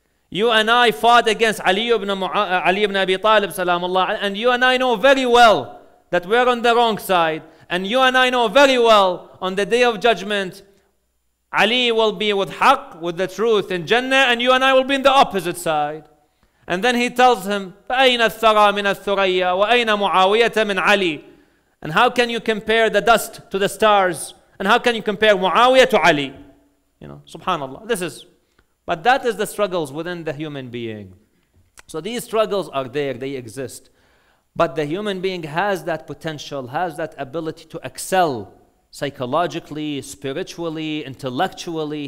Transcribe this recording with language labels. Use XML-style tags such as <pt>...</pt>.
<en>You and I fought against Ali ibn Abi Talib, salamullah, and you and I know very well that we're on the wrong side. And you and I know very well, on the Day of Judgment, Ali will be with Haqq, with the truth in Jannah, and you and I will be in the opposite side. And then he tells him,</en> <ar>فَأَيْنَ الثَّرَى مِنَ الثُّرَيَّةِ وَأَيْنَ مُعَاوِيَةَ مِنْ Ali.</ar> <en>And how can you compare the dust to the stars? And how can you compare Muawiyah to Ali? You know, subhanAllah. But that is the struggles within the human being. So these struggles are there, they exist. But the human being has that potential, has that ability to excel psychologically, spiritually, intellectually.</en>